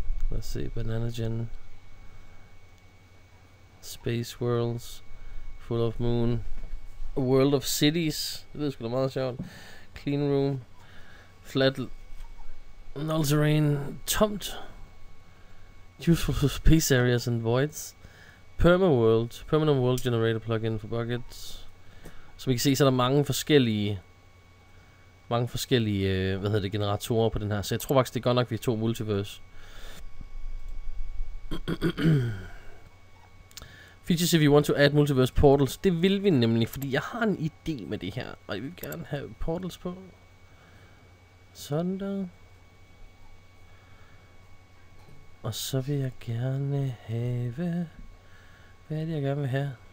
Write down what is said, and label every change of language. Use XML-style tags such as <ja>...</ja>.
<da>Lad os se, Banana Gen, Space Worlds, Full of Moon, A World of Cities, det lyder sgu da meget sjovt, Clean Room, Flat, Null Terrain, Tomt, Useful Space Areas and Voids, Permaworld, Permanent World Generator Plugin for Buckets, Som I kan se, så er der mange forskellige, hvad hedder det, generatorer på den her. Så jeg tror faktisk, det er godt nok, vi er to multiverse.</da> <en>Features if you want to add multiverse portals.</en> <da>Det vil vi nemlig, fordi jeg har en idé med det her. Og jeg vil gerne have portals på. Sådan der. Og så vil jeg gerne have... Hvad er det, jeg gerne vil have?</da>